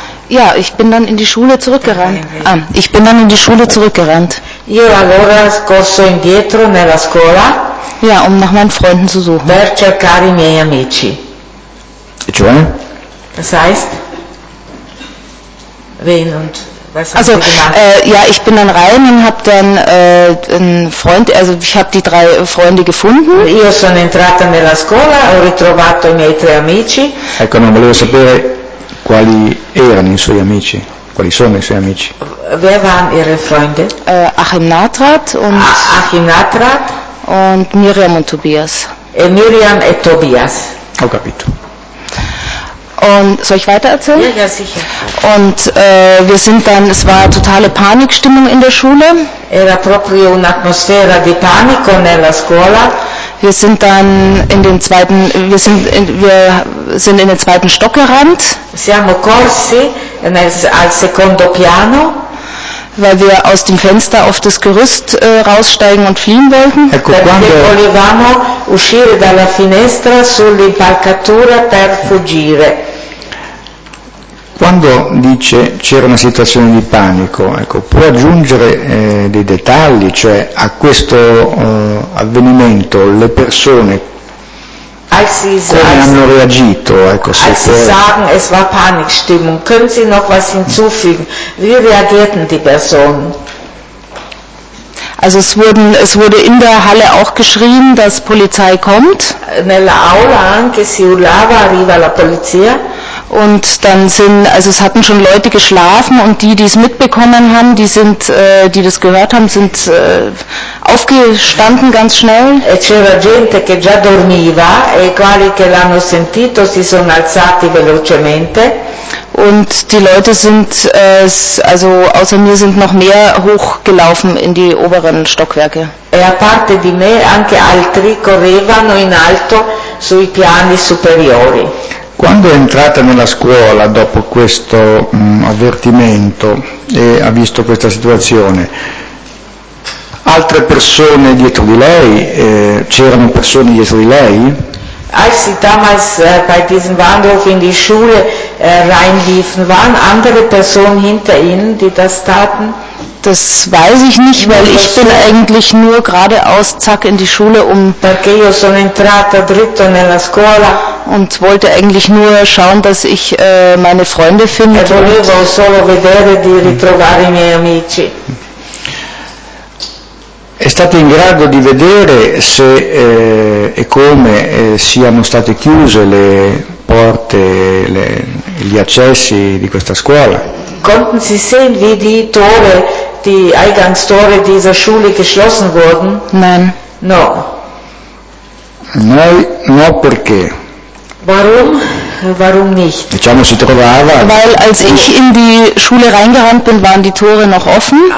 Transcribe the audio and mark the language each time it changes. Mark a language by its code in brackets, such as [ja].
[de] Ja, ich bin dann in die Schule zurückgerannt. Ich bin dann in die Schule zurückgerannt. [it] Io allora corso indietro nella scuola. [de] Ja, um nach meinen Freunden zu suchen. [it] Per cercare i miei amici. E cioè? [de] Das heißt? Wen und... Also, ja, ich bin dann rein und habe dann einen Freund, also ich habe die drei Freunde gefunden. [it] Io sono entrata nella scuola, ho ritrovato i miei tre amici. Ecco, non volevo sapere quali erano i suoi amici, quali sono i suoi amici. [de] Wer waren ihre Freunde? Achim Natrat und Miriam und Tobias. [it] E Miriam e Tobias. Ho capito. [de] Und soll ich weiter erzählen? Ja, sicher. Und wir sind dann, es war totale Panikstimmung in der Schule. [it] Era proprio un'atmosfera di panico nella scuola. [de] Wir sind dann in den zweiten, wir sind in den zweiten Stock gerannt. [it] Siamo corsi al secondo piano. [de] Weil wir aus dem Fenster auf das Gerüst raussteigen und fliehen wollten. [it] Ecco, quando... Perché volevamo uscire dalla finestra sull'impalcatura per fuggire. Quando dice c'era una situazione di panico, ecco, può aggiungere dei dettagli, cioè a questo avvenimento le persone come hanno reagito, ecco, [de] se Sie sagen, es war Panikstimmung. Können Sie noch was hinzufügen? Wie reagierten die Personen? Also es wurde in der Halle auch geschrien, dass Polizei kommt. [it] Nella aula anche si urlava arriva la polizia. [de] Und dann sind, also es hatten schon Leute geschlafen und die, die es mitbekommen haben, die sind, die das gehört haben, sind aufgestanden ganz schnell. [it] E c'era gente che già dormiva e quelli che l'hanno sentito si sono alzati velocemente. [de] Und die Leute sind, also außer mir sind noch mehr hochgelaufen in die oberen Stockwerke. [it] E a parte di me anche altri correvano in alto sui piani superiori. Quando è entrata nella scuola dopo questo avvertimento e ha visto questa situazione, altre persone dietro di lei, c'erano persone dietro di lei? [de] Als sie damals bei diesem Wandel in die Schule reinliefen, waren andere Personen hinter ihnen, die das taten? Das weiß ich nicht, weil ich bin eigentlich nur geradeaus zack in die Schule um. [it] Perché io sono entrata dritto nella scuola. [de] Und wollte eigentlich nur schauen, dass ich meine Freunde finde. [it] E volevo solo vedere di ritrovare i miei amici. È stato in grado di vedere se e come siano state chiuse le porte, gli accessi di questa scuola? [de] Konnten Sie sehen, wie die Tore, die Eingangstore dieser Schule geschlossen wurden? Nein. [it] No. No, perché? [de] Warum nicht? [it] Diciamo, si trovava. [de] Weil als ich in die Schule reingerannt bin, waren die Tore noch offen.